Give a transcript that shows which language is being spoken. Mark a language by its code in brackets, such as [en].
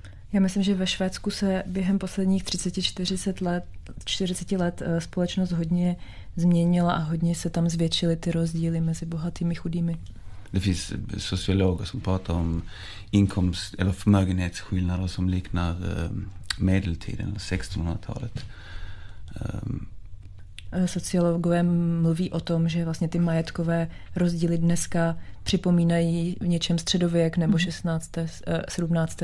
[cs] Já myslím, že ve Švédsku se během posledních 30-40 let společnost hodně změnila a hodně se tam zvětšily ty rozdíly mezi bohatými a chudými. [sv] Det finns sociologer som pratar om inkomst eller förmögenhetsskillnader som liknar medeltiden 1600-talet. [cs] Sociologové mluví o tom, že vlastně ty majetkové rozdíly dneska připomínají v něčem středověk nebo 17.